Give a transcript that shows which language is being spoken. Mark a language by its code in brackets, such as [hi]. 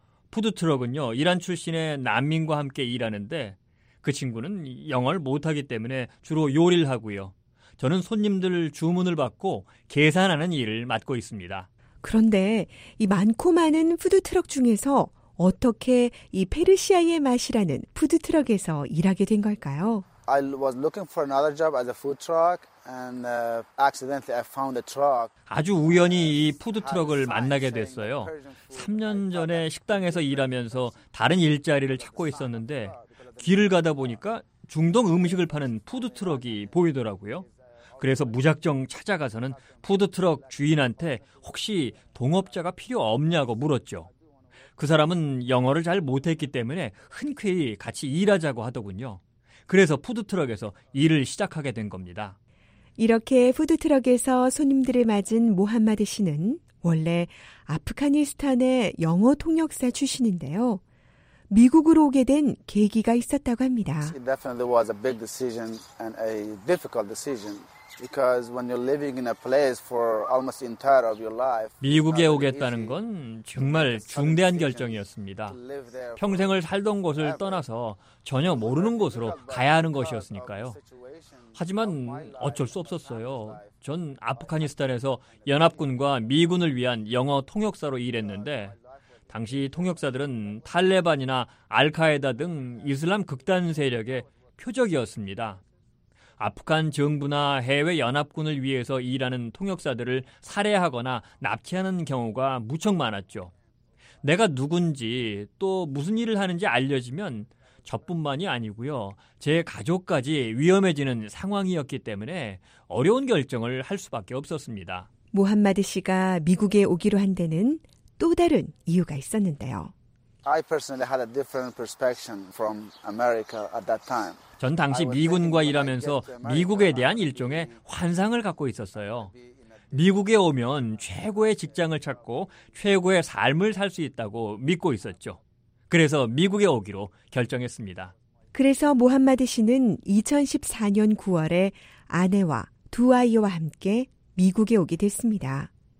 [ko] 푸드트럭은요, 이란 출신의 난민과 함께 일하는데 그 친구는 영어를 못하기 때문에 주로 요리를 하고요. 저는 손님들 주문을 받고 계산하는 일을 맡고 있습니다. 그런데 이 많고 많은 푸드트럭 중에서 어떻게 이 페르시아의 맛이라는 푸드트럭에서 일하게 된 걸까요? [en] I was looking for another job as a food truck. And accidentally I found a truck. [ko] 아주 우연히 이 푸드트럭을 만나게 됐어요. 3년 전에 식당에서 일하면서 다른 일자리를 찾고 있었는데 길을 가다 보니까 중동 음식을 파는 푸드트럭이 보이더라고요. 그래서 무작정 찾아가서는 푸드트럭 주인한테 혹시 동업자가 필요 없냐고 물었죠. 그 사람은 영어를 잘 못했기 때문에 흔쾌히 같이 일하자고 하더군요. 그래서 푸드트럭에서 일을 시작하게 된 겁니다. 이렇게 푸드트럭에서 손님들을 맞은 모하마드 씨는 원래 아프가니스탄의 영어 통역사 출신인데요. 미국으로 오게 된 계기가 있었다고 합니다. [en] It definitely was a big decision and a difficult decision because when you're living in a place for almost entire of your life. [ko] 미국에 오겠다는 건 정말 중대한 결정이었습니다. 평생을 살던 곳을 떠나서 전혀 모르는 곳으로 가야 하는 것이었으니까요. 하지만 어쩔 수 없었어요. 전 아프가니스탄에서 연합군과 미군을 위한 영어 통역사로 일했는데 당시 통역사들은 탈레반이나 알카에다 등 이슬람 극단 세력의 표적이었습니다. 아프간 정부나 해외 연합군을 위해서 일하는 통역사들을 살해하거나 납치하는 경우가 무척 많았죠. 내가 누군지 또 무슨 일을 하는지 알려지면 저뿐만이 아니고요. 제 가족까지 위험해지는 상황이었기 때문에 어려운 결정을 할 수밖에 없었습니다. 무함마드 씨가 미국에 오기로 한 데는 또 다른 이유가 있었는데요. [en] I personally had a different perspective from America at that time. [ko] 전 당시 미군과 일하면서 미국에 대한 일종의 환상을 갖고 있었어요. 미국에 오면 최고의 직장을 찾고 최고의 삶을 살 수 있다고 믿고 있었죠. 그래서 미국에 오기로 결정했습니다. 그래서 모함마드 씨는 2014년 9월에 아내와 두 아이와 함께 미국에 오게 됐습니다.